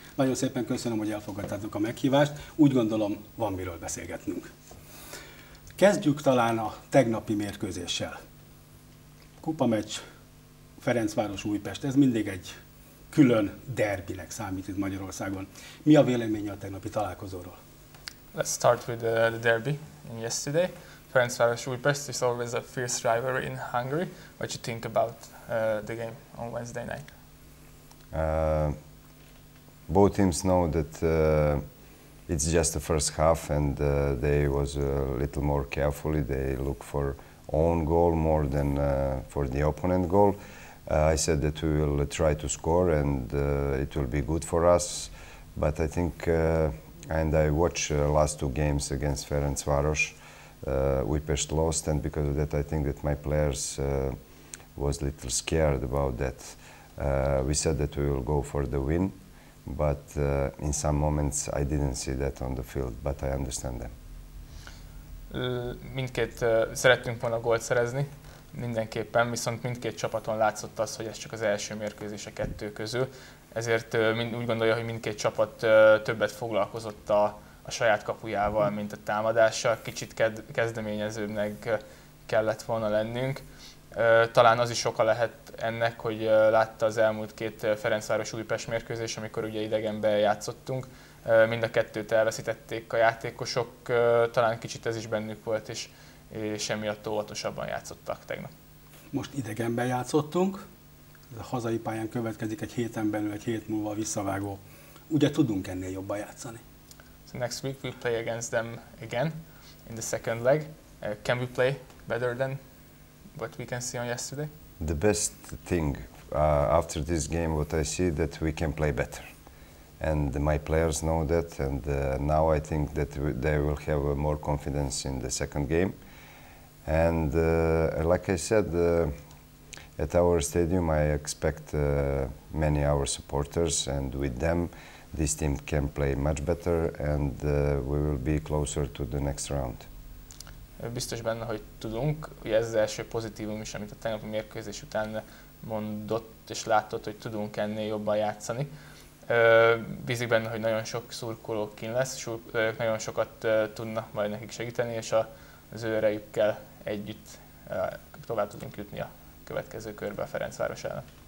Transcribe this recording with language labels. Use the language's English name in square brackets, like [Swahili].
[Hungarian] Nagyon szépen köszönöm, hogy elfogadtátok a meghívást, úgy gondolom, van miről beszélgetnünk. Kezdjük talán a tegnapi mérkőzéssel. Kupameccs, Ferencváros, Újpest, ez mindig egy külön derbinek számít itt Magyarországon. Mi a véleménye a tegnapi találkozóról? [English] Let's start with the derby in yesterday. Ferencváros, Újpest is always a fierce rivalry in Hungary. What you think about the game on Wednesday night? Both teams know that it's just the first half and they was a little more carefully. They look for own goal more than for the opponent goal. I said that we will try to score and it will be good for us. But I think, and I watched last two games against Ferencváros, Újpest lost, and because of that I think that my players was a little scared about that. We said that we will go for the win, but in some moments I didn't see that on the field, but I understand them. [Hungarian] Mindkét szerettünk volna gólt szerezni, mindenképpen, viszont mindkét csapaton látszott az, hogy ez csak az első mérkőzés a kettő közül. Ezért úgy gondolja, hogy mindkét csapat többet foglalkozott a saját kapujával, mint a támadással. Kicsit kezdeményezőbbnek kellett volna lennünk. Talán az is oka lehet ennek, hogy látta az elmúlt két Ferencváros-Újpest mérkőzés, amikor ugye idegenben játszottunk. Mind a kettőt elveszítették a játékosok, talán kicsit ez is bennük volt, és emiatt óvatosabban játszottak tegnap. Most idegenben játszottunk, ez a hazai pályán következik egy héten belül, egy hét múlva visszavágó. Ugye tudunk ennél jobban játszani? [English] So next week we play against them again, in the second leg. Can we play better than what we can see on yesterday? The best thing after this game, what I see, that we can play better. And my players know that, and now I think that they will have more confidence in the second game. And like I said, at our stadium I expect many our supporters, and with them this team can play much better, and we will be closer to the next round. [Hungarian] Biztos benne, hogy tudunk. Ugye ez az első pozitívum is, amit a tegnapi mérkőzés után mondott és látott, hogy tudunk ennél jobban játszani. Bízik benne, hogy nagyon sok szurkoló kín lesz, nagyon sokat tudnak majd nekik segíteni, és az ő erejükkel együtt tovább tudunk jutni a következő körbe a Ferencváros ellen.